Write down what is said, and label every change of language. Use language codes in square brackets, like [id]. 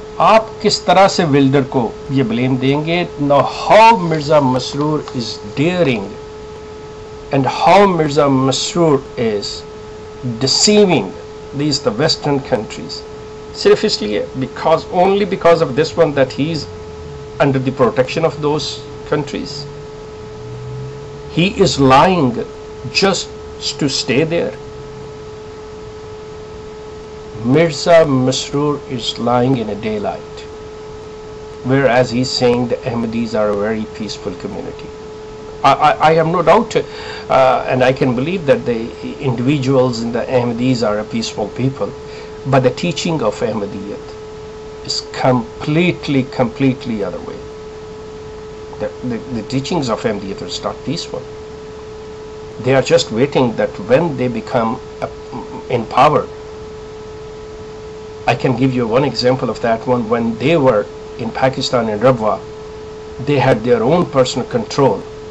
[ur] آپ کس طرح سے ولڈر کو یہ بلیم دیں گے؟ [en] Now how Mirza Masroor is ڈیئرنگ and how Mirza Masroor is deceiving these the western countries, صرف اس لیے because only because of this one that he is under the protection of those countries, he is lying just to stay there. Mirza Masroor is lying in a day light where as he saying the Ahmadis are a very peaceful community. I have no doubt and I can believe that the individuals in the Ahmadis are a peaceful people, but the teaching of Ahmadiyyat is completely other way. The teachings of Ahmadiyat are not peaceful. They are just waiting that when they become in power. I can give you one example of that one. When they were in Pakistan in Rabwa, they had their own personal control.